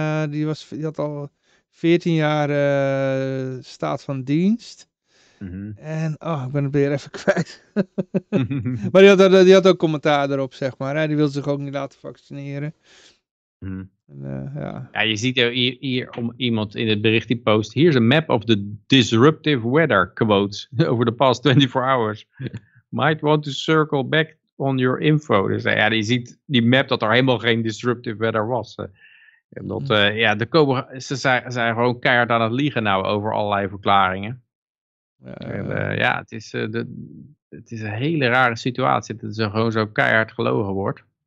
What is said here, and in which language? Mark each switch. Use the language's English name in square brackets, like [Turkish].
[Dutch] die had al 14 jaar staat van dienst. Mm-hmm. En, ik ben het weer even kwijt. Maar die had ook commentaar erop, zeg maar. Hè? Die wilde zich ook niet laten vaccineren. Ja, je ziet hier om iemand in het bericht die post. [English] Here's a map of the disruptive weather quotes over the past 24 hours. Might want to circle back on your info. [Dutch] Dus ja, je ziet die map dat er helemaal geen disruptive weather was. En dat, ja, ze zijn gewoon keihard aan het liegen nou over allerlei verklaringen. Het is een hele rare situatie dat er gewoon zo keihard gelogen wordt.